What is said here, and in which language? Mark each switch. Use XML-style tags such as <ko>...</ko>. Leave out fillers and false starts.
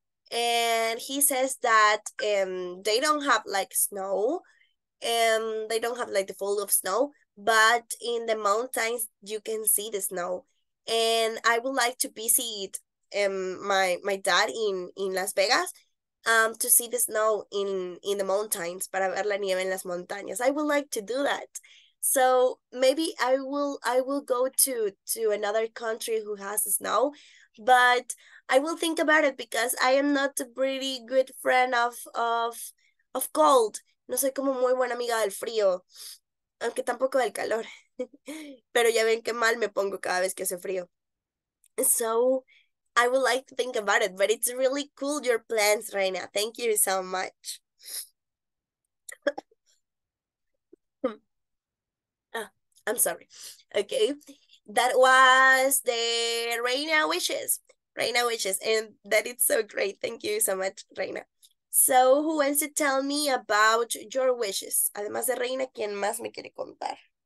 <en>And he says that they don't have like snow, they don't have like the fall of snow, but in the mountains you can see the snow, and I would like to visit my dad in Las Vegas, to see the snow in the mountains,</en> <es>para ver la nieve en las montañas.</es> <en>I would like to do that, so maybe I will go to another country who has snow, but I will think about it because I am not a pretty good friend of cold.</en> <es>No soy como muy buena amiga del frío, aunque tampoco del calor. Pero ya ven qué mal me pongo cada vez que hace frío.</es> <en>So I would like to think about it, but it's really cool your plans, Reina. Thank you so much. I'm sorry. Okay, that was the Reina wishes. Reina wishes, and that is so great. Thank you so much, Reina. So, who wants to tell me about your wishes?</en> <es>Además de Reina, ¿quién más me quiere contar?</es>